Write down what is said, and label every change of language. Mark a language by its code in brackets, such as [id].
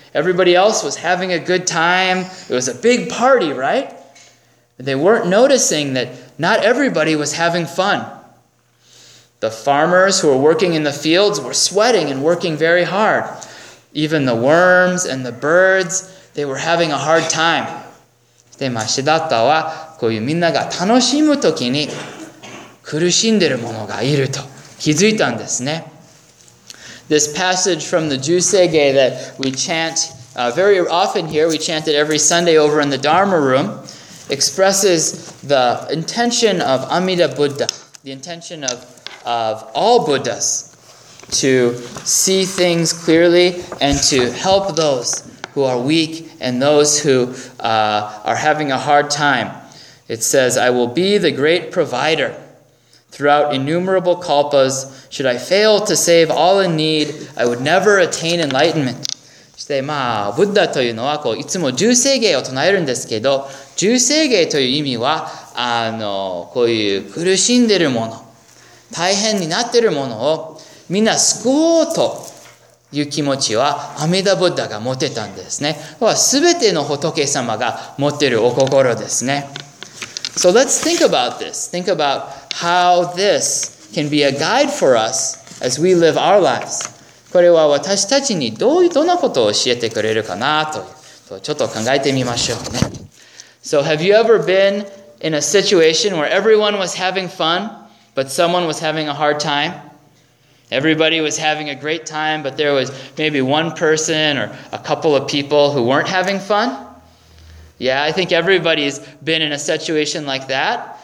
[en] Everybody else was having a good time. It was a big party, right? But they weren't noticing that not everybody was having fun. The farmers who were working in the fields were sweating and working very hard. Even the worms and the birds, they were having a hard time. [ja] で、まあ、シダッタはこういうみんなが楽しむときに苦しんでるものがいると気づいたんですね。 [en] This passage from the Jusege that we chant very often here, we chant it every Sunday over in the Dharma room, expresses the intention of Amida Buddha, the intention of all Buddhas to see things clearly and to help those who are weak and those who are having a hard time. It says, I will be the great provider. Throughout innumerable kalpas, should I fail to save all in need, I would never attain enlightenment. [ja] そして、まあ、ブッダというのは、こう、いつも十世芸を唱えるんですけど、十世芸という意味は、こういう苦しんでるもの、大変になってるものを、みんな救おうという気持ちは、阿弥陀ブッダが持てたんですね。すべての仏様が持ってるお心ですね。 [en] So let's think about this. Think about how this can be a guide for us as we live our lives. [ja] これは私たちにどんなことを教えてくれるかなとちょっと考えてみましょうね。 [en] So have you ever been in a situation where everyone was having fun, but someone was having a hard time? Everybody was having a great time, but there was maybe one person or a couple of people who weren't having fun? Yeah, I think everybody's been in a situation like that.